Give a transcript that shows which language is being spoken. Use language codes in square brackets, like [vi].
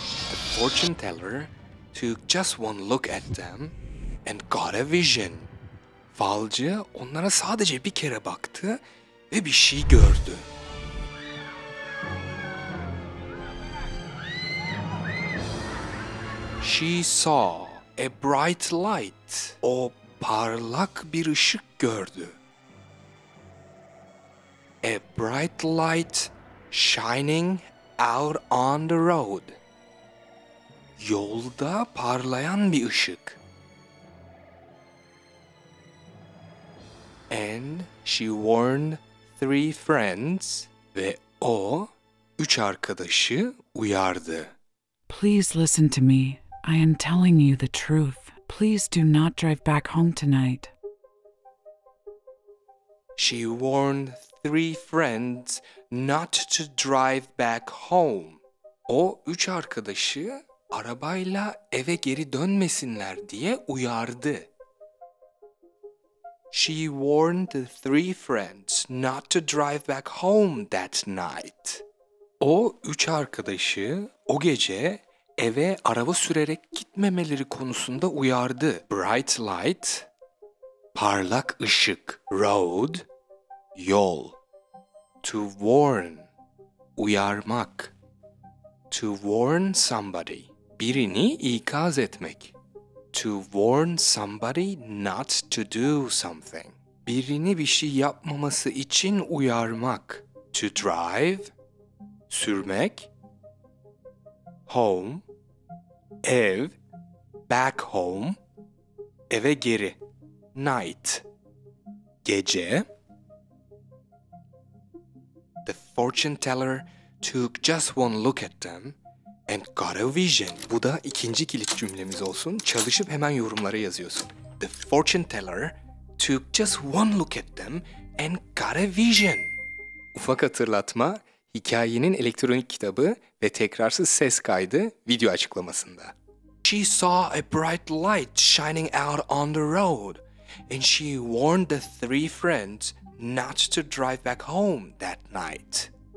[en] The fortune teller took just one look at them and got a vision. [tr] Falcı onlara sadece bir kere baktı ve bir şey gördü. [en] She saw a bright light. [tr] O parlak bir ışık gördü. [en] A bright light shining out on the road. [tr] Yolda parlayan bir ışık. [en] And she warned three friends. [tr] Ve o üç arkadaşı uyardı. [en] Please listen to me. I am telling you the truth. Please do not drive back home tonight. She warned three friends not to drive back home. [tr] O üç arkadaşı arabayla eve geri dönmesinler diye uyardı. [en] She warned the three friends not to drive back home that night. [tr] O üç arkadaşı o gece eve araba sürerek gitmemeleri konusunda uyardı. [en] Bright light, [tr] parlak ışık. [en] Road, yol. To warn, uyarmak. To warn somebody, [tr] birini ikaz etmek. [en] To warn somebody not to do something, [tr] birini bir şey yapmaması için uyarmak. [en] To drive, sürmek. Home, ev. Back home, [tr] eve geri. [en] Night, gece. The fortune teller took just one look at them and got a vision. [tr] Bu da ikinci kilit cümlemiz olsun. Çalışıp hemen yorumlara yazıyorsun. [en] The fortune teller took just one look at them and got a vision. [tr] Ufak hatırlatma, hikayenin elektronik kitabı ve tekrarsız ses kaydı video açıklamasında. [en] She saw a bright light shining out on the road, and she warned the three friends not to drive back home that night.